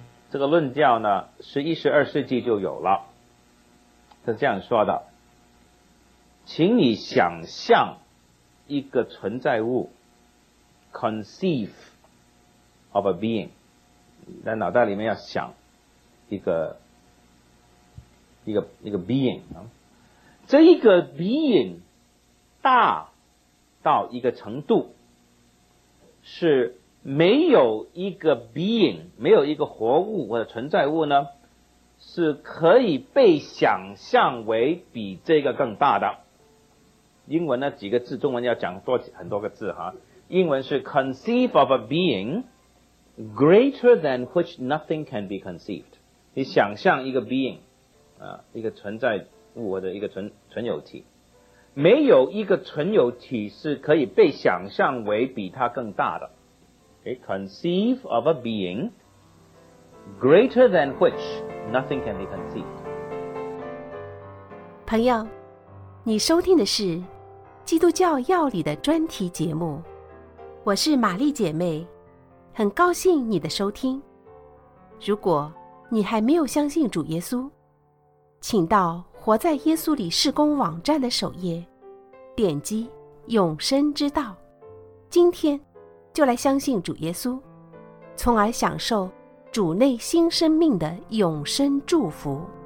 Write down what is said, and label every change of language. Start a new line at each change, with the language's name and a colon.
Chinese: 这个论调呢，11、12世纪就有了。是这样说的：请你想象一个存在物 ，
English: conceive of a being，
Chinese: 在脑袋里面要想一个 being 啊，这一个 being 大到一个程度是。没有一个 being， 没有一个活物或者存在物呢，是可以被想象为比这个更大的。英文呢几个字，中文要讲多很多个字哈。英文是
English: conceive of a being greater than which nothing can be conceived。
Chinese: 你想象一个 being， 啊，一个存在物或者一个存有体，没有一个存有体是可以被想象为比它更大的。
English: Okay, conceive of a being greater than which nothing can be conceived.
Chinese: 朋友，你收听的是基督教药理的专题节目，我是玛丽姐妹，很高兴你的收听。如果你还没有相信主耶稣，请到活在耶稣里事工网站的首页，点击永生之道，今天就来相信主耶稣，从而享受主内新生命的永生祝福。